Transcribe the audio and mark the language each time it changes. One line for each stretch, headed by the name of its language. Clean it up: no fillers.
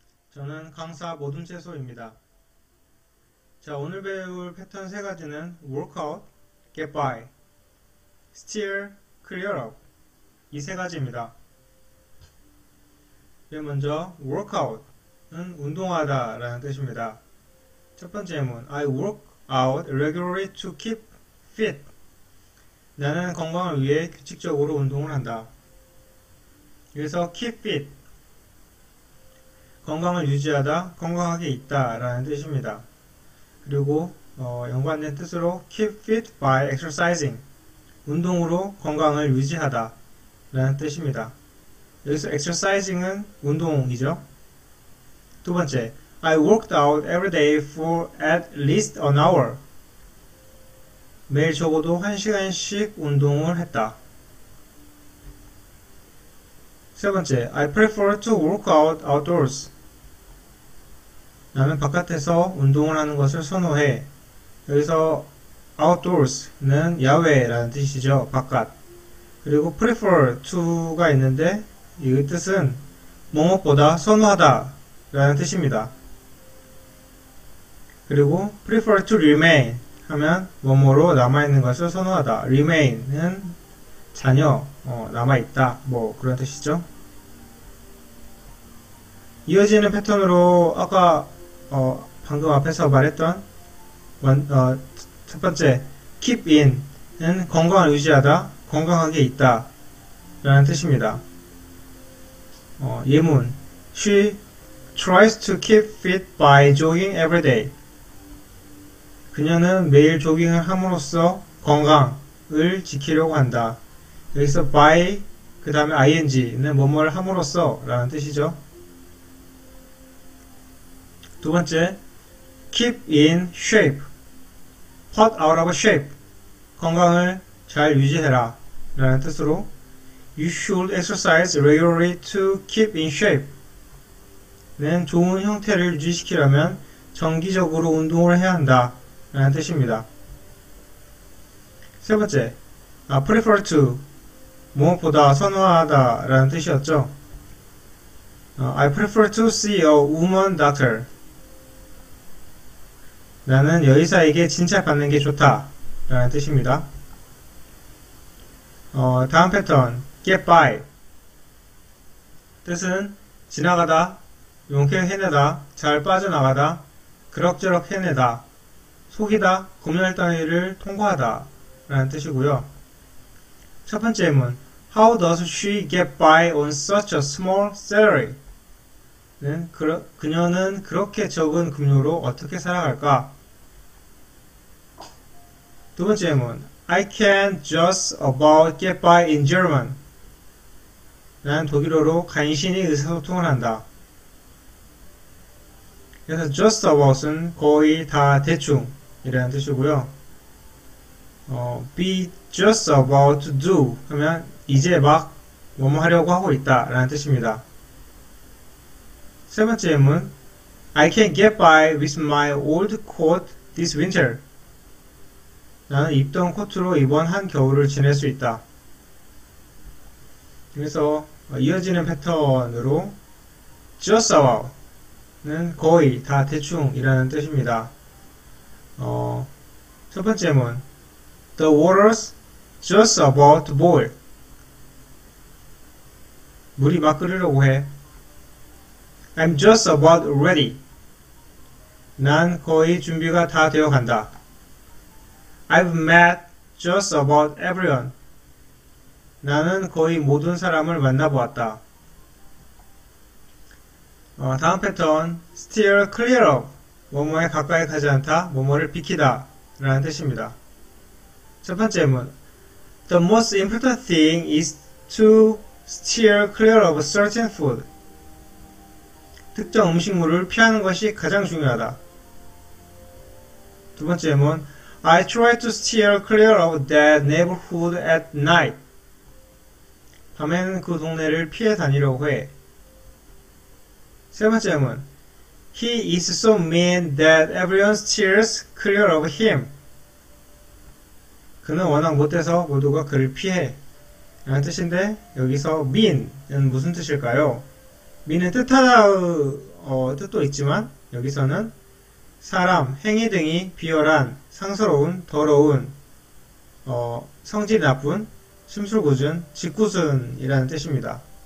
Korean: 저는 강사 모둠채소입니다. 자, 오늘 배울 패턴 세 가지는 Workout, Get By, Steer, Clear Up 이세 가지입니다. 먼저 Workout은 운동하다라는 뜻입니다. 첫 번째 질문,
English: I work out regularly to keep fit.
Korean: 나는 건강을 위해 규칙적으로 운동을 한다. 여기서 keep fit. 건강을 유지하다, 건강하게 있다 라는 뜻입니다. 그리고 연관된 뜻으로 keep fit by exercising. 운동으로 건강을 유지하다 라는 뜻입니다. 여기서 exercising은 운동이죠. 두 번째,
English: I worked out every day for at least an hour.
Korean: 매일 적어도 1시간씩 운동을 했다. 세 번째,
English: I prefer to work out outdoors.
Korean: 나는 바깥에서 운동을 하는 것을 선호해. 여기서 outdoors는 야외라는 뜻이죠. 바깥. 그리고 prefer to가 있는데 이 뜻은 무엇보다 선호하다라는 뜻입니다. 그리고 prefer to remain 하면 뭐뭐로 남아있는 것을 선호하다. remain은 잔여, 남아있다, 뭐 그런 뜻이죠. 이어지는 패턴으로 아까 방금 앞에서 말했던 첫 번째 keep in은 건강을 유지하다, 건강하게 있다 라는 뜻입니다.
English: 예문, she tries to keep fit by jogging every day.
Korean: 그녀는 매일 조깅을 함으로써 건강을 지키려고 한다. 여기서 by, 그 다음에 ing는 뭐뭐를 함으로써 라는 뜻이죠. 두 번째, keep in shape, put out of shape, 건강을 잘 유지해라 라는 뜻으로
English: you should exercise regularly to keep in shape
Korean: 는 좋은 형태를 유지시키려면 정기적으로 운동을 해야 한다 라는 뜻입니다. 세 번째, prefer to, 무엇보다 선호하다 라는 뜻이었죠.
English: I prefer to see a woman doctor.
Korean: 나는 여의사에게 진찰받는 게 좋다 라는 뜻입니다. 다음 패턴, get by. 뜻은 지나가다, 용케 해내다, 잘 빠져나가다, 그럭저럭 해내다. 속이다, 검열 단위를 통과하다 라는 뜻이고요. 첫 번째 질문,
English: How does she get by on such a small salary?
Korean: 그녀는 그렇게 적은 급여로 어떻게 살아갈까? 두 번째 질문,
English: I can just about get by in German.
Korean: 나는 독일어로 간신히 의사소통을 한다. 그래서 just about은 거의 다 대충 이라는 뜻이고요. be just about to do 하면 이제 막 뭐뭐 하려고 하고 있다라는 뜻입니다. 세 번째 질문, I can get by with my old coat this winter. 나는 입던 코트로 이번 한 겨울을 지낼 수 있다. 그래서 이어지는 패턴으로 just about는 거의 다 대충이라는 뜻입니다. 첫 번째 문,
English: The water's just about to boil.
Korean: 물이 막 끓으려고 해.
English: I'm just about ready.
Korean: 난 거의 준비가 다 되어 간다.
English: I've met just about everyone.
Korean: 나는 거의 모든 사람을 만나보았다. 다음 패턴, steer clear of. 뭐뭐에 가까이 가지 않다, 뭐뭐를 비키다 라는 뜻입니다. 첫 번째 문,
English: The most important thing is to steer clear of certain food.
Korean: 특정 음식물을 피하는 것이 가장 중요하다. 두 번째 문,
English: I try to steer clear of that neighborhood at night.
Korean: 밤에는 그 동네를 피해 다니려고 해. 세 번째 문,
English: He is so mean that everyone steers clear of him.
Korean: 그는 워낙 못해서 모두가 그를 피해. 라는 뜻인데, 여기서 민은 무슨 뜻일까요? 민은 뜻하다의 뜻도 있지만, 여기서는 사람, 행위 등이 비열한, 상스러운, 더러운, 성질이 나쁜, 심술궂은, 짓궂은이라는 뜻입니다.